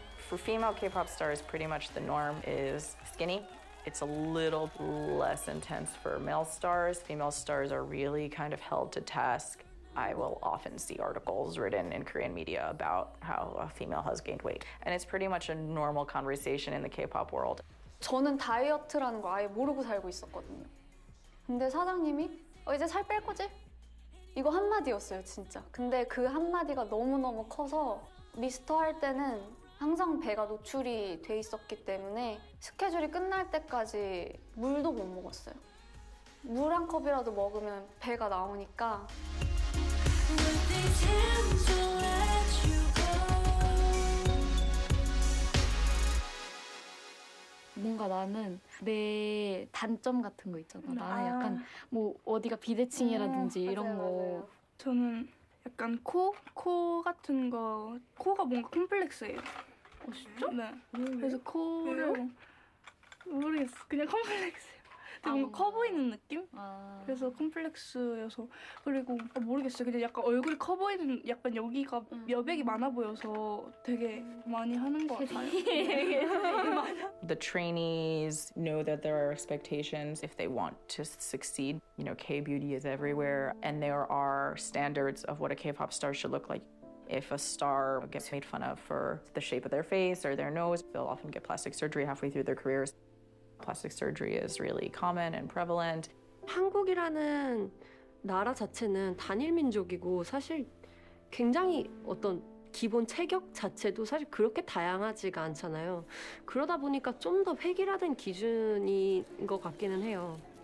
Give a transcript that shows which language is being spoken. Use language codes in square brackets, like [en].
[en] For female K-pop stars, pretty much the norm is skinny. It's a little less intense for male stars. Female stars are really kind of held to task. I will often see articles written in Korean media about how a female has gained weight. And it's pretty much a normal conversation in the K-pop world. [ko] 저는 다이어트라는 거 아예 모르고 살고 있었거든요. 근데 사장님이 이제 살 뺄 거지? 이거 한마디였어요, 진짜. 근데 그 한마디가 너무너무 커서 미스터 할 때는 항상 배가 노출이 돼 있었기 때문에 스케줄이 끝날 때까지 물도 못 먹었어요. 물 한 컵이라도 먹으면 배가 나오니까. 뭔가 나는 내 단점 같은 거 있잖아. 나는 약간 뭐 어디가 비대칭이라든지 이런 맞아요, 거. 맞아요. 저는 약간 코? 코 같은 거. 코가 뭔가 콤플렉스예요. 어, 진짜? 네. 그래서 코를 모르겠어. 그냥 콤플렉스예요. 뭔가 커 보이는 느낌? 아. 그래서 콤플렉스여서 그리고 아, 모르겠어요. 근데 약간 얼굴이 커 보이는 약간 여기가 여백이 많아 보여서 되게 많이 하는 것 같아요. [en] The trainees know that there are expectations if they want to succeed. You know, K-beauty is everywhere and there are standards of what a K-pop star should look like. If a star gets made fun of for the shape of their face or their nose, they'll often get plastic surgery halfway through their careers. Plastic surgery is really common and prevalent. [ko] 한국이라는 나라 자체는 단일 민족이고 사실 굉장히 어떤 기본 체격 자체도 사실 그렇게 다양하지가 않잖아요. 그러다 보니까 좀 더 획일화된 기준인 것 같기는 해요.